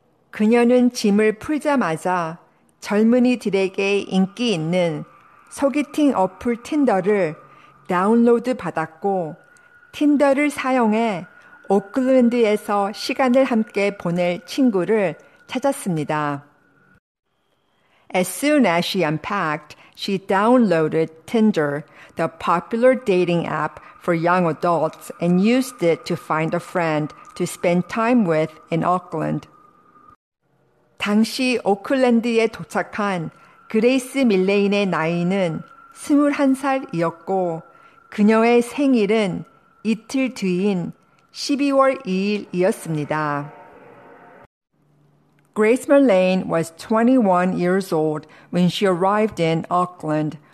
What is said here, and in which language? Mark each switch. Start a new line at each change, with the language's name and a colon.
Korean: 그녀는 짐을 풀자마자 젊은이들에게 인기 있는 소개팅 어플 틴더를 다운로드 받았고 틴더를 사용해 오클랜드에서 시간을 함께 보낼 친구를 찾았습니다.
English: As soon as she unpacked, she downloaded Tinder, the popular dating app for young adults, and used it to find a friend to spend time with in Auckland.
Korean: 당시 오클랜드에 도착한 그레이스 밀레인의 나이는 21살이었고 그녀의 생일은 이틀 뒤인 12월 2일이었습니다.
English: Grace Mullane was 21 years old when she arrived in Auckland.